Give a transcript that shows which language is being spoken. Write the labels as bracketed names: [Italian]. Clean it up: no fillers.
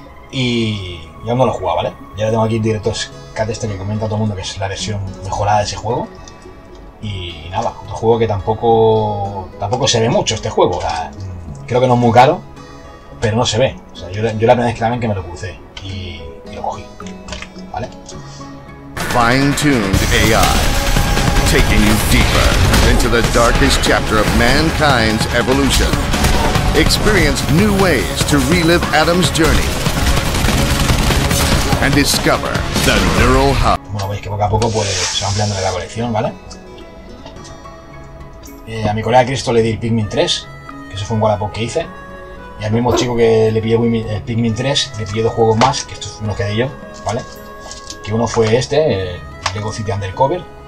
[Spanish] Y ya no lo he jugado, ¿vale? Ya lo tengo aquí en Director's Cut, este que comenta todo el mundo que es la versión mejorada de ese juego. Y nada, otro juego que tampoco se ve mucho este juego, ¿verdad? Creo que no es muy caro, pero no se ve. O sea, yo la primera vez que me lo crucé y lo cogí, ¿vale? [English] Fine-tuned AI, taking you deeper into the darkest chapter of mankind's evolution. Experience new ways to relive Adam's journey and discover the neural hub. [Spanish] Bueno, veis que poco a poco pues se va ampliando la colección, ¿vale? A mi colega Cristo le di el Pikmin 3. Eso fue un Wallapop que hice. Y al mismo chico que le pillé el Pikmin 3, le pillé dos juegos más, que estos me los quedé yo, ¿vale? Que uno fue este, el Lego City Undercover.